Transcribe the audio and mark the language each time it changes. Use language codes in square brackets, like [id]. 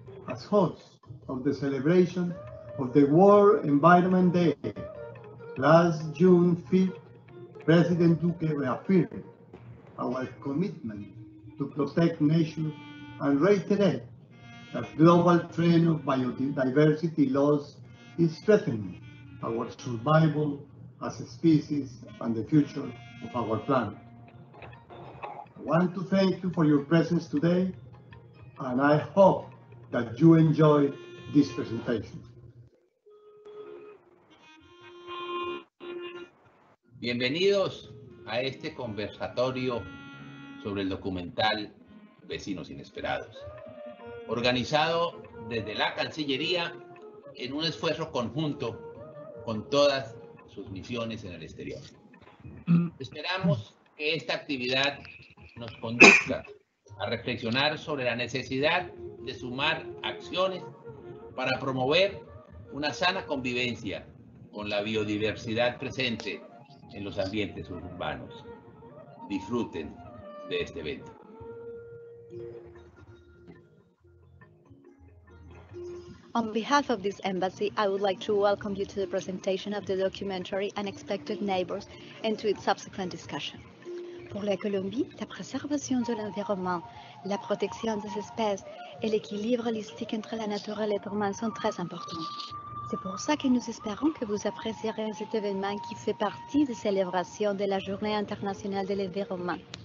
[en] As hosts of the celebration of the World Environment Day, last June 5th, President Duque reaffirmed our commitment to protect nature and reiterated the global trend of biodiversity loss is threatening our survival as a species and the future of our planet. I want to thank you for your presence today, and I hope that you enjoy this presentation. [es] Bienvenidos a este conversatorio sobre el documental Vecinos Inesperados, organizado desde la Cancillería en un esfuerzo conjunto con todas sus misiones en el exterior. Esperamos que esta actividad nos conduzca a reflexionar sobre la necesidad de sumar acciones para promover una sana convivencia con la biodiversidad presente en los ambientes urbanos. Disfruten de este evento. [en] On behalf of this embassy, I would like to welcome you to the presentation of the documentary Unexpected Neighbors and to its subsequent discussion. [fr] Pour la Colombie, la préservation de l'environnement, la protection des espèces et l'équilibre holistique entre la nature et l'être humain sont très importants. C'est pour ça que nous espérons que vous apprécierez cet événement qui fait partie des célébrations de la Journée internationale de l'environnement.